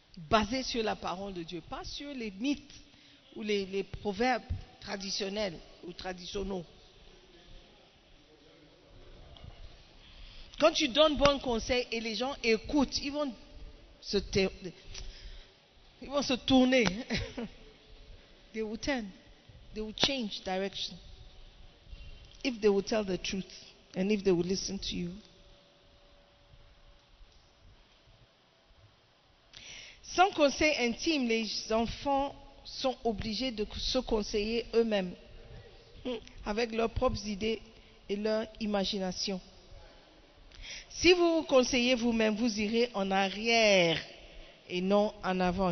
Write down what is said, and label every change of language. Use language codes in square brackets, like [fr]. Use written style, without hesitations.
[fr] Basé sur la parole de Dieu, pas sur les mythes ou les proverbes traditionnels ou traditionnels. Quand tu donnes bon conseil et les gens écoutent, ils vont se tourner. [en] They will turn. They will change direction. If they will tell the truth. And if they will listen to you. [fr] Sans conseil intime, les enfants sont obligés de se conseiller eux-mêmes avec leurs propres idées et leur imagination. Si vous vous conseillez vous-même, vous irez en arrière et non en avant.